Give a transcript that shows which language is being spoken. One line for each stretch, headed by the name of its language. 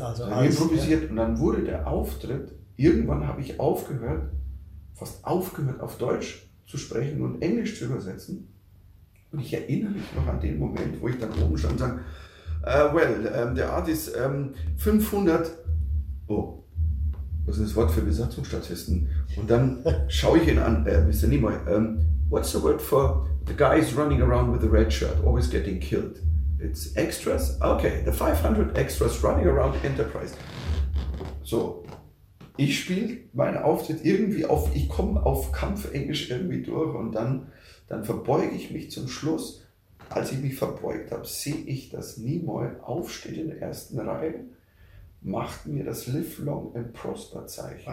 German: Dann, also alles, improvisiert, ja. Und dann wurde der Auftritt, irgendwann habe ich fast aufgehört, auf Deutsch zu sprechen und Englisch zu übersetzen, und ich erinnere mich noch an den Moment, wo ich dann oben stand und sage, der Artist 500, oh, was ist das Wort für Besatzungsstatisten? Und dann schaue ich ihn an, Mr.
English: Nimoy, what's the word for the guys running around with the red shirt, always getting killed? It's extras? Okay, the 500 extras running around Enterprise.
German: So, ich spiele meinen Auftritt irgendwie auf, ich komme auf Kampfenglisch irgendwie durch, und dann verbeuge ich mich zum Schluss. Als ich mich verbeugt habe, sehe ich, dass Nimoy aufsteht in der ersten Reihe, macht mir das Live Long and Prosper Zeichen.